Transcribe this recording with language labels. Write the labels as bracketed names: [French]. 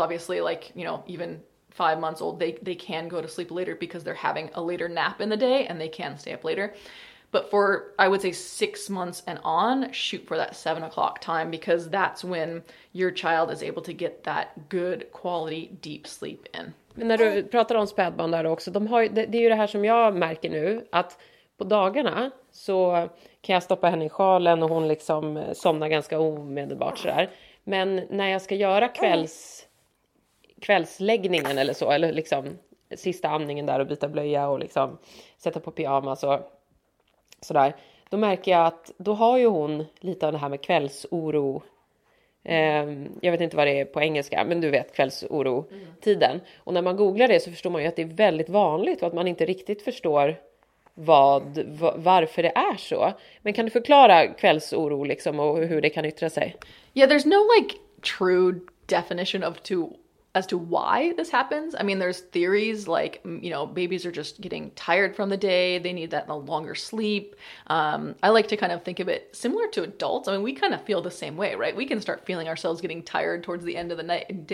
[English] obviously, like, you know, even 5 months old, they can go to sleep later because they're having a later nap in the day and they can stay up later. But for, I would say, 6 months and on, shoot for that 7 o'clock time, because that's when your child is able to get that good quality deep sleep in. [Swedish] Men när du pratar om spädbarn där också, det är ju det här som jag märker nu, att på dagarna så kan jag stoppa henne i sjalen och hon liksom somnar ganska omedelbart sådär. Men när jag ska göra kvällsläggningen eller så, eller liksom sista amningen där och byta blöja och liksom sätta på pyjamas och sådär, då märker jag att då har ju hon lite av det här med kvällsoro. Jag vet inte vad det är på engelska, men du vet, kvällsoro-tiden. Och när man googlar det så förstår man ju att det är väldigt vanligt och att man inte riktigt förstår varför det är så. Men kan du förklara kvällsoro liksom och hur det kan yttra sig? [English] Yeah, there's no like true definition of to as to why this happens. I mean, there's theories like, you know, babies are just getting tired from the day. They need that longer sleep. I like to kind of think of it similar to adults. I mean, we kind of feel the same way, right? We can start feeling ourselves getting tired towards the end of the night.